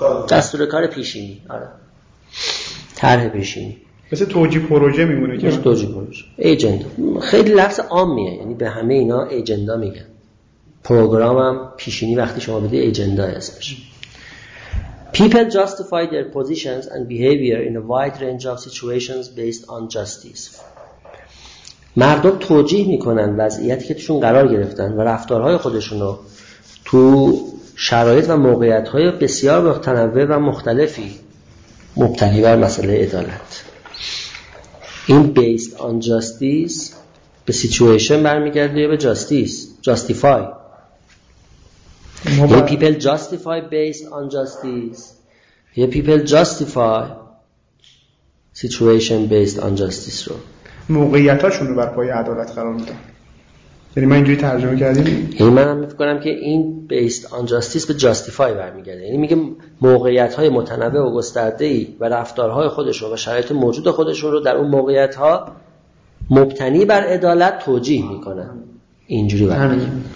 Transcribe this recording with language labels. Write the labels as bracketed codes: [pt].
[fa] دستور کار پیشینی. آره. طرح پیشینی مثل توجیه پروژه میمونه که مثل توجیه پروژه ایجندا خیلی لفظ عامیه، یعنی به همه اینا ایجندا میگن. پروگرام هم پیشینی وقتی شما بده ایجندا اسمش. [en] People justify their positions and behavior in a wide range of situations based on justice. [fa] مردم توجیه میکنن وضعیتی که توشون قرار گرفتن و رفتارهای خودشون رو تو شرایط و موقعیت‌های بسیار متنوع و مختلفی مبتنی بر مسئله عدالت. این [en] based on justice [fa] به situation برمیگرده به justice justify. یه [en] people justify based on justice، [fa] یه [en] people justify situation based on justice [fa] رو، موقعیت هاشون رو بر پای عدالت قرار میدن. یعنی من اینجوری ترجمه کردیم؟ یعنی من هم میفکرم که این [en] based on justice [fa] به justify برمیگرده، یعنی میگه موقعیت های متنوع و گسترده‌ای و رفتارهای خودشون و شرایط موجود خودشون رو در اون موقعیت ها مبتنی بر عدالت توجیه میکنن. اینجوری برمیگرده.